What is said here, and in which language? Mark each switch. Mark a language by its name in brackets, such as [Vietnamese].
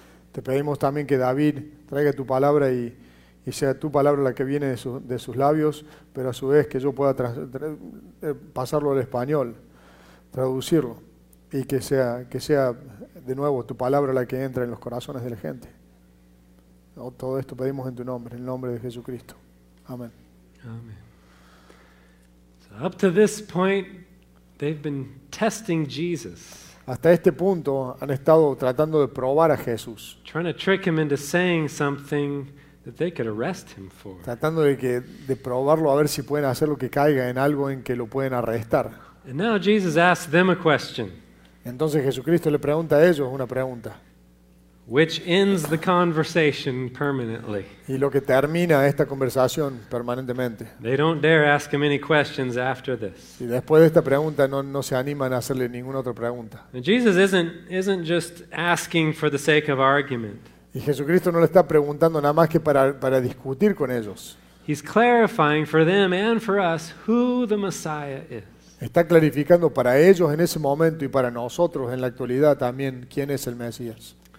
[Spanish] Te pedimos también que David traiga tu palabra y sea tu palabra la que viene de sus labios, pero a su vez que yo pueda pasarlo al español, traducirlo, y que sea de nuevo tu palabra la que entra en los corazones de la gente. ¿No? Todo esto pedimos en tu nombre, en el nombre de Jesucristo. Amén. [English] Amen. So up to this point, they've been testing Jesus. [Spanish] Hasta este punto han estado tratando de probar a Jesús. [English] Trying to trick him into saying something that they could arrest him for. [Spanish] Tratando de probarlo a ver si pueden hacer lo que caiga en algo en que lo pueden arrestar. [English] And now Jesus asks them a question. [Spanish] Entonces Jesucristo le pregunta a ellos una pregunta. [English] Which ends the conversation permanently. [Spanish] Y lo que termina esta conversación permanentemente. [English] They don't dare ask him any questions after this. [Spanish] Y después de esta pregunta no se animan a hacerle ninguna otra pregunta. [English] And Jesus isn't just asking for the sake of argument. [Spanish] Y Jesucristo no le está preguntando nada más que para discutir con ellos. [English] He's clarifying for them and for us who the Messiah is. [Spanish] Está clarificando para ellos en ese momento y para nosotros en la actualidad también quién es el Mesías.